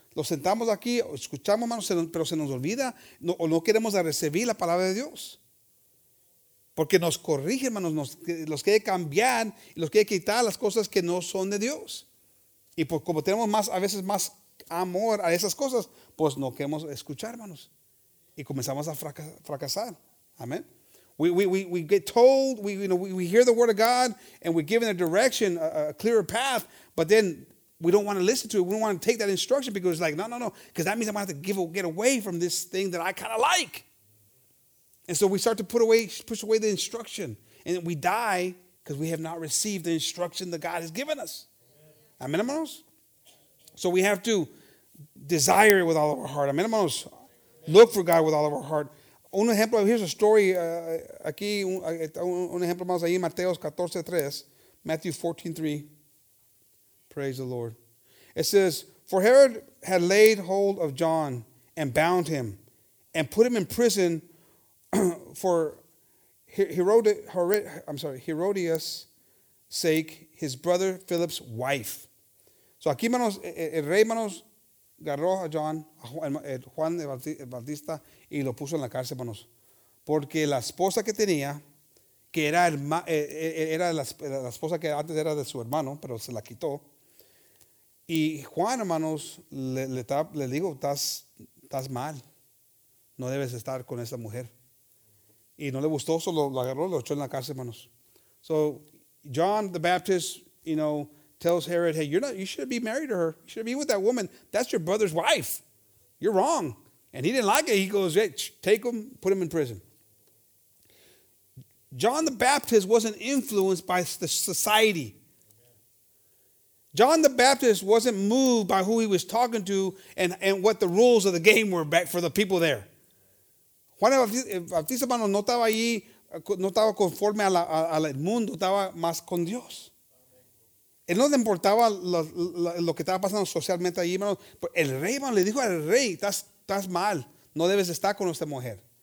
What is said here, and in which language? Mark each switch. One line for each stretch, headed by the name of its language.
Spanish: Lo sentamos aquí, escuchamos, hermano, pero se nos olvida. No, o no queremos recibir la palabra de Dios. Porque nos corrige, hermano, los quiere cambiar, los quiere quitar las cosas que no son de Dios. Y pues como tenemos más, a veces más amor a esas cosas, pues no queremos escuchar, hermanos. Y comenzamos a fracasar. Amén.
English: We get told, we hear the word of God, and we're given a direction, a clearer path, but then we don't want to listen to it. We don't want to take that instruction because it's like, no, because that means I'm going to have to get away from this thing that I kind of like. And so we start to push away the instruction, and we die because we have not received the instruction that God has given us. Amen, hermanos? So we have to desire it with all of our heart. Amen, hermanos? Look for God with all of our heart.
Spanish: Un ejemplo,
English: here's a story,
Spanish: aquí, un ejemplo más ahí, Matthew 14:3.
English: Praise the Lord. It says, for Herod had laid hold of John and bound him and put him in prison for Herodias' sake, his brother Philip's wife.
Spanish: So aquí, hermanos, el rey, hermanos, agarró a John, Juan el Bautista, y lo puso en la cárcel, hermanos. Porque la esposa que tenía, que era la esposa que antes era de su hermano, pero se la quitó. Y Juan, hermanos, le dijo, estás mal. No debes estar con esa mujer. Y no le gustó, solo lo agarró, lo echó en la cárcel, hermanos.
English: So, John the Baptist, you know, tells Herod, hey, you shouldn't be married to her. You shouldn't be with that woman. That's your brother's wife. You're wrong. And he didn't like it. He goes, hey, take him, put him in prison. John the Baptist wasn't influenced by the society. John the Baptist wasn't moved by who he was talking to and what the rules of the game were back for the people there.
Spanish: Juan Bautista, hermano, no estaba allí, no estaba conforme al mundo, estaba más con Dios. Él no le importaba lo que estaba pasando socialmente allí, hermano. El rey, hermano, le dijo al rey, estás mal, no debes estar con esta mujer.